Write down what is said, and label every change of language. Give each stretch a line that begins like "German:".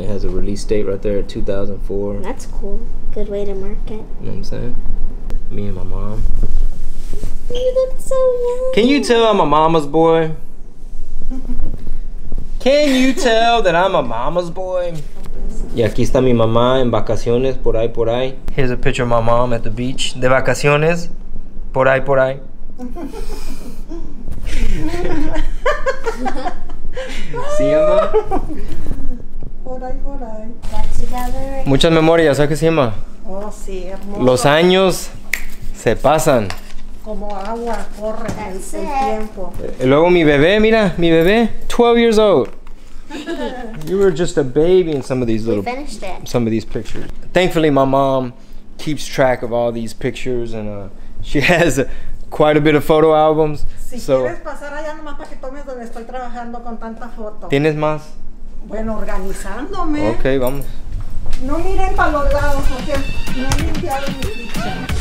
English: It has a release date right there, 2004. That's cool. Good way to market. You know what I'm saying? Me and my mom. You look so young. Can you tell I'm a mama's boy? Can you tell that I'm a mama's boy?
Spanish: Y aquí está mi mamá en vacaciones, por ahí, por ahí.
English: Here's a picture of my mom at the beach.
Spanish: De vacaciones, por ahí, por ahí.
English: See ya, ma.
Spanish: Por ahí, por ahí.
English: Together.
Spanish: Muchas memorias, ¿sabes qué se llama? Oh, sí, hermoso. Los años. Se pasan. Como agua corre el tiempo. Y luego mi bebé, mira, mi bebé,
English: 12 years old. You were just a baby in some of these little, some of these pictures. Thankfully, my mom keeps track of all these pictures and she has quite a bit of photo albums.
Spanish: Si
English: so,
Spanish: quieres pasar allá nomás para que tomes donde estoy trabajando con tanta foto. ¿Tienes más? Bueno, organizándome. Okay, vamos. No miren para los lados, porque no limpiaron mi pizza.